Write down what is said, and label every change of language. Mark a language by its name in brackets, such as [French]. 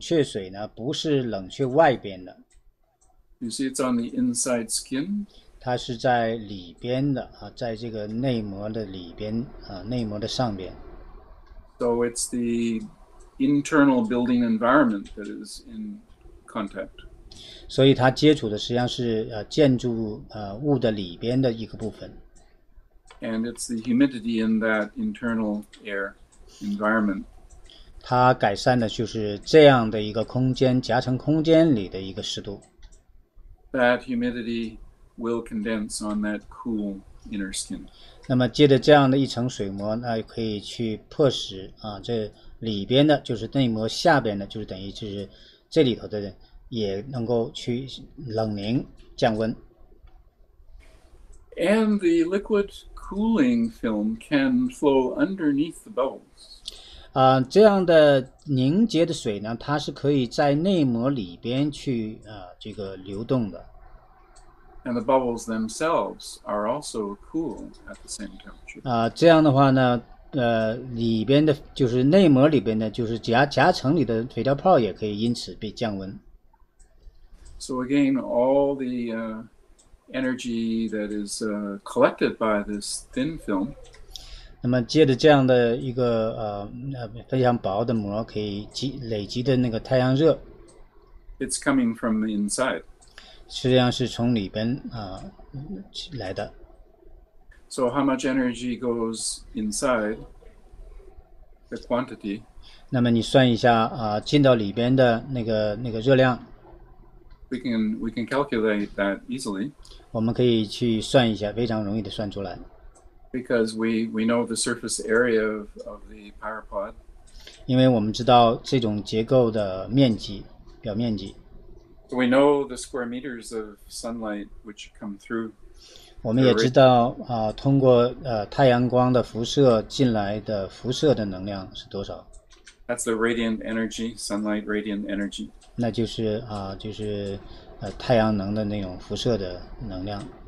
[Chinese] 那么这个冷却水呢，不是冷却外边的。 [English] You see it's on the inside skin. [Chinese] 它是在里边的，在这个内膜的里边，内膜的上边。 [English] So it's the internal building environment that is in contact. [Chinese] 所以它接触的实际上是建筑物的里边的一个部分。 [English] And it's the humidity in that internal air environment. [Chinese] 它改善的就是这样的一个空间，夹层空间里的一个湿度。 [English] That humidity will condense on that cool inner skin. [Chinese] 那么借着这样的一层水膜，那可以去迫使这里边的，就是内膜下边的，就是等于就是这里头的也能够去冷凝降温。 [English] And the liquid cooling film can flow underneath the bubbles. [Chinese] 这样的凝结的水呢, 它是可以在内膜里边去, 这个流动的。 [English] And the bubbles themselves are also cool at the same temperature. [Chinese] 这样的话呢, 里边的, 就是内膜里边的, 就是夹层里的, 水泡也可以因此被降温。 [English] So again, all the energy that is collected by this thin film. [Chinese] 那么借着这样的一个 非常薄的膜可以累积的那个太阳热。 [English] It's coming from the inside. [Chinese] 实际上是从里边 来的。 [English] So how much energy goes inside? The quantity. [Chinese] 那么你算一下 进到里边的那个热量。 [English] We can calculate that easily. [Chinese] 我们可以去算一下, 非常容易地算出来。 [English] Because we know the surface area of the PyraPOD. [Chinese] 因为我们知道这种结构的面积, 表面积。 [English] We know the square meters of sunlight which come through. [Chinese] 我们也知道, 通过, 太阳光的辐射进来的辐射的能量是多少。 [English] That's the radiant energy, sunlight radiant energy. [Chinese] 那就是, 就是, 太阳能的那种辐射的能量。